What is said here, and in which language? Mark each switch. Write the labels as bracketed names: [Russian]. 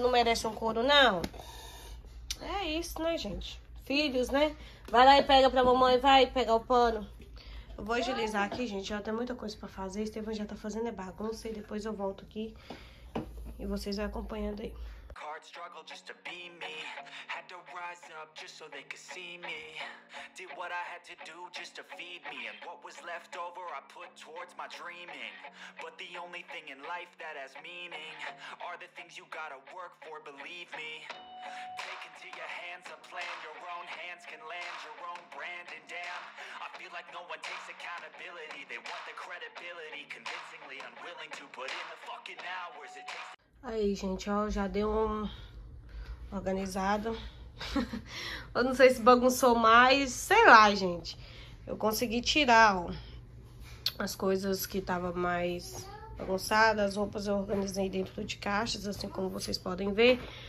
[Portuguese] Não merece um couro, não. É isso, né, gente? Filhos, né? Vai lá e pega pra mamãe. Vai pegar o pano. Eu vou agilizar aqui, gente. Já tem muita coisa pra fazer. Estevam já tá fazendo bagunça. E depois eu volto aqui. E vocês vão acompanhando aí. [English] Struggle just to be me, had to rise up just so they could see me, did what I had to do just to feed me, and what was left over I put towards my dreaming, but the only thing in life that has meaning, are the things you gotta work for, believe me, take into your hands a plan, your own hands can land your own brand, and damn, I feel like no one takes accountability, they want the credibility, convincingly unwilling to put in the fucking hours it takes. [Portuguese] Aí, gente, ó, já deu um organizado. Eu não sei se bagunçou mais, sei lá, gente. Eu consegui tirar, ó, as coisas que estavam mais bagunçadas. As roupas eu organizei dentro de caixas, assim como vocês podem ver.